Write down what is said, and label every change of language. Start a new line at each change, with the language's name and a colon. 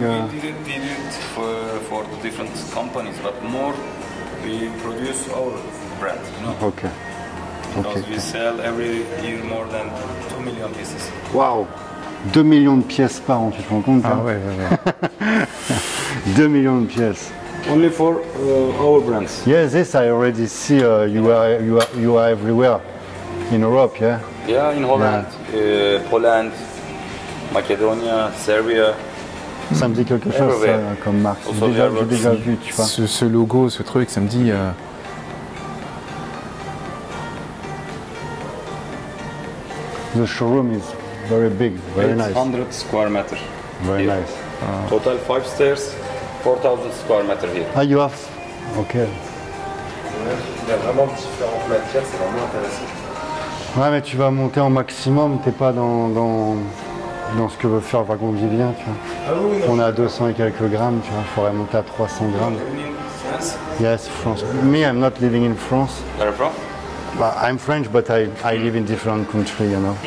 English: We did it for the different companies, but more we produce our brand, you know. Okay. Because okay. We sell every year more than 2 million pieces.
French: Wow, 2 millions de pièces par an, tu te rends compte? Ah ouais, ouais, ouais. 2 millions de pièces.
English: Only for our brands. Yes, yes, I already see you are everywhere in Europe, yeah? Yeah, in Holland, yeah. Poland, Macedonia, Serbia.
French: Ça me dit quelque chose comme marque. J'ai déjà vu, tu vois. Ce logo, ce truc, ça me dit...
English: The showroom is very big, very nice. 100 square meters. Very here. Nice. Total 5 stairs, 4,000 square meters here. Ah, you have? Okay.
French: Il y a vraiment différentes matières, c'est vraiment intéressant. Ouais, mais tu vas monter en maximum, t'es pas dans ce que veut faire Wagon Vivien, tu vois. Ah oui, non. On est à 200 et quelques grammes, tu vois, il faudrait monter à 300 grammes.
English: You live in France? Yes, France. Me, I'm not living in France. Where from? Well, I'm French, but I live in different country, you know.